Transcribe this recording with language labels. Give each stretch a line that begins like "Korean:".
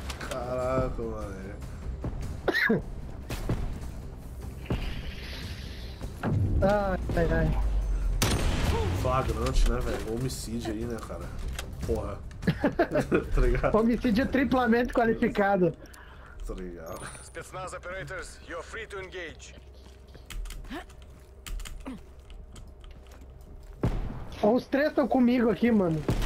Portuguese: Caraca, mano. Ai. Flagrante, né, velho? Homicídio aí, né, cara? Porra. Tá ligado? Homicídio triplamente qualificado. Tá ligado.
English: Spetsnaz operators, you're free to engage.
Portuguese: Os três estão comigo aqui, mano.